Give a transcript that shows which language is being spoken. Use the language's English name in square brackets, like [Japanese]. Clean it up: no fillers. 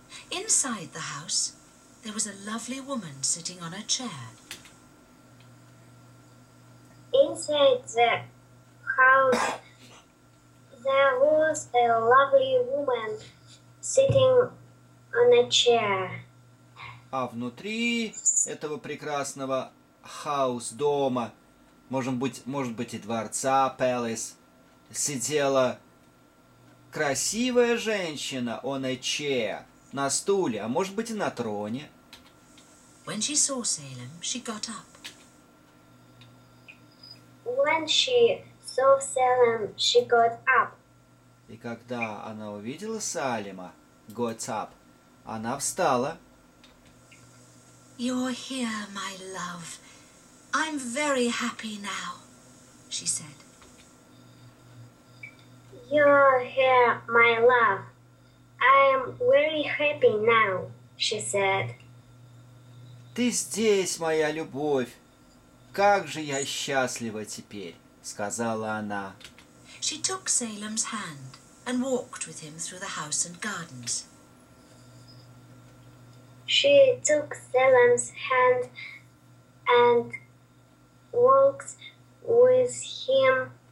[English] Inside the house there was a lovely woman sitting on a chair. Inside the house there was a lovely woman sitting on a chair. [Russian] А внутри этого прекрасного house, дома, может быть и дворца, palace, сидела красивая женщина, [English] on a chair, [Russian] на стуле, а может быть и на троне. [English] When she saw Salem, she got up. When she saw Salem, she got up. [Russian] И когда она увидела Салема, [English] got up, [Russian] она встала. [English] You're here, my love. I'm very happy now, she said. You're here, my love. I'm very happy now, she said. [Russian] Ты здесь, моя любовь. Как же я счастлива теперь, сказала она. [English] She took Salem's hand and walked with him through the house and gardens. She took Salem's hand and walked with him.